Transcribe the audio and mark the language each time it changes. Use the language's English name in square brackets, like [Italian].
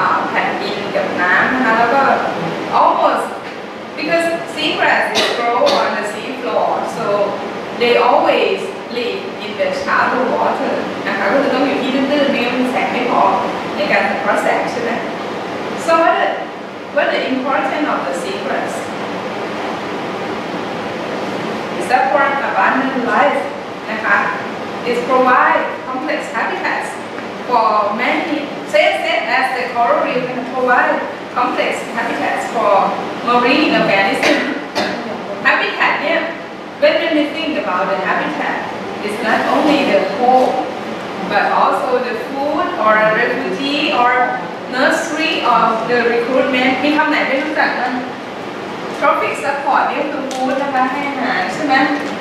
[Thai] แผ่นดินกับน้ำนะคะแล้วก็ [English] almost because seagrass they grow on the sea floor so they always live in the shallow water [Thai] นะคะก็คือต้องอยู่ที่ตื้นๆไม่งั้นแสงไม่พอในการกระแสใช่ไหม [English] so what the importance of the seagrass is that for abundant life นะคะIt provides complex habitats for many. Say that the coral reef can provide complex habitats for marine organisms. Habitat, yeah. When we think about the habitat, it's not only the home, but also the food or a refuge or nursery of the recruitment. [Thai] มีคำไหนไม่รู้จักบ้าง Tropic support, เนี่ยคือ food นะคะให้อาหารใช่ไหม Refuge.